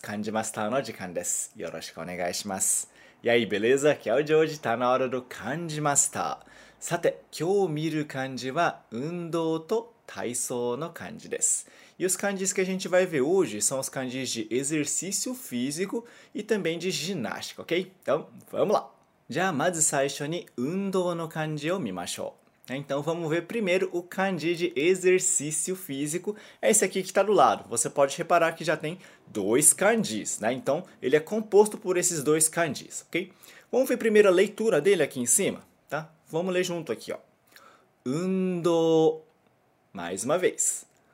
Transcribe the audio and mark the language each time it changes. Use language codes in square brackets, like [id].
[ja] 漢字マスターの時間です。よろしくお願いします。やい、ベレーザ、今日ジョージ、タナワルド、漢字マスター。さて、今日見る漢字は、運動と体操の漢字です。 [pt] E os kanjis que a gente vai ver hoje são os kanjis de exercício físico e também de ginástica, ok? Então, vamos lá! Já, mas, [ja] 最初に運動の漢字を見ましょう。 [pt] Então, vamos ver primeiro o kanji de exercício físico. É esse aqui que está do lado. Você pode reparar que já tem dois kanjis, né? Então, ele é composto por esses dois kanjis, ok? Vamos ver primeiro a leitura dele aqui em cima, tá? Vamos ler junto aqui, ó. Undo. Mais uma vez.